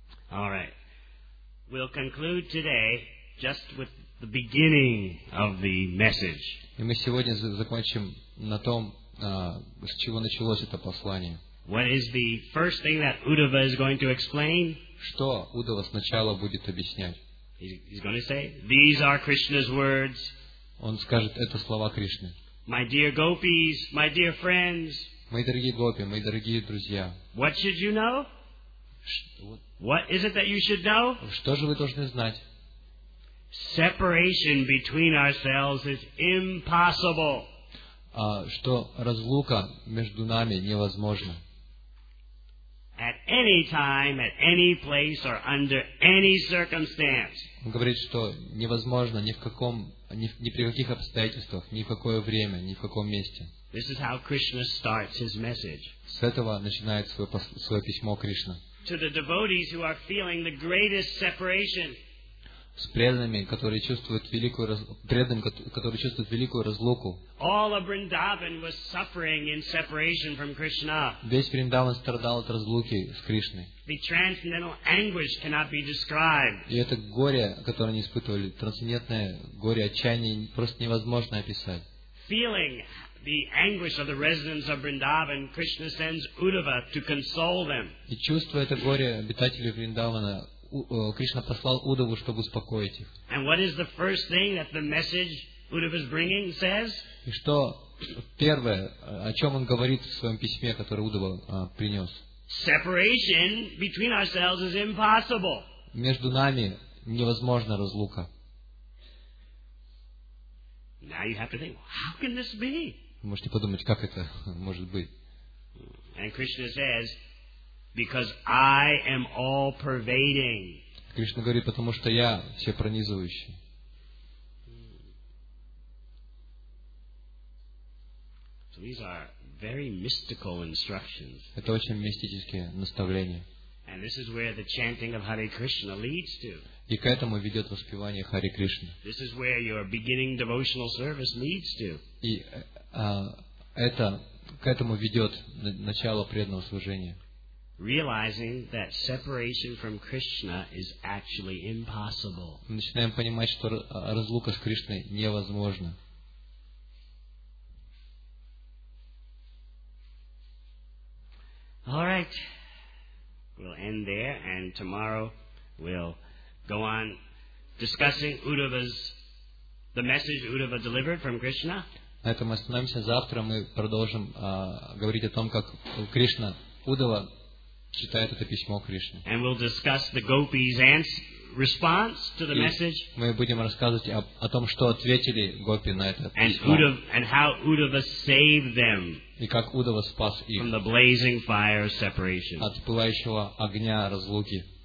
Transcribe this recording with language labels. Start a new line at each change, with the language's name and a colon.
English: All right. We'll conclude today just with the beginning of the message.
Russian: И мы сегодня закончим на том, с чего началось это послание.
English: What is the first thing that Uddhava is going to explain?
Russian: Что Уддава сначала будет объяснять?
English: He's going to say, "These are Krishna's words."
Russian: Он скажет это слова Кришны.
English: My dear gopis, my dear friends.
Russian: Мои дорогие гопи, мои дорогие друзья.
English: What should you know? What is it that you should know?
Russian: Что же вы должны знать?
English: Separation between ourselves is impossible.
Russian: Что разлука между нами невозможна.
English: At any time, at any place, or under any circumstance.
Russian: Он говорит, что невозможно ни в каком, ни при каких обстоятельствах, ни в какое время, ни в каком месте.
English: This is how Krishna starts his message.
Russian: С этого начинает свое письмо Кришна.
English: To the devotees who are feeling the greatest separation.
Russian: с преданными, которые чувствуют великую преданным, которые чувствуют великую разлуку.
English: All of Vrindavan was suffering in separation from Krishna.
Russian: Весь Вриндаван страдал от разлуки с Кришной.
English: The transcendental anguish cannot be described.
Russian: И это горе, которое они испытывали, трансцендентное горе отчаяния, просто невозможно описать.
English: Feeling the anguish of the residents of Vrindavan, Krishna sends Uddhava to console them.
Russian: И чувствуя это горе обитателей Вриндавана, Кришна послал Удаву, чтобы успокоить их.
English: And what is the first thing that the message Uddhava is bringing says?
Russian: И что первое, о чем он говорит в своем письме, которое Удава принес?
English: Separation between ourselves is impossible.
Russian: Между нами невозможна разлука.
English: Now you have to think, how can this be?
Russian: Можете подумать, как это может быть?
English: And Krishna says, because I am all pervading.
Russian: Кришна говорит, потому что я все пронизывающий.
English: So these are very mystical instructions.
Russian: Это очень мистические наставления.
English: And this is where the chanting of Hare Krishna leads to.
Russian: И к этому ведет воспевание Хари Кришны.
English: This is where your beginning devotional service leads to.
Russian: И это к этому ведет начало преданного служения.
English: Realizing that separation from Krishna is actually impossible. Мы начинаем понимать, что разлука с Кришной невозможна. All right. We'll end there, and tomorrow we'll go on discussing the message Uddhava delivered from Krishna.
Russian: На этом остановимся. Завтра мы продолжим говорить о том, как Кришна Удава читает это письмо Кришне.
English: And we'll discuss the gopis' response to the message.
Russian: Мы будем рассказывать о том, что ответили гопи на это письмо.
English: And how Uddhava saved them.
Russian: И как Удава спас их.
English: From the blazing fire of separation.
Russian: От пылающего огня разлуки.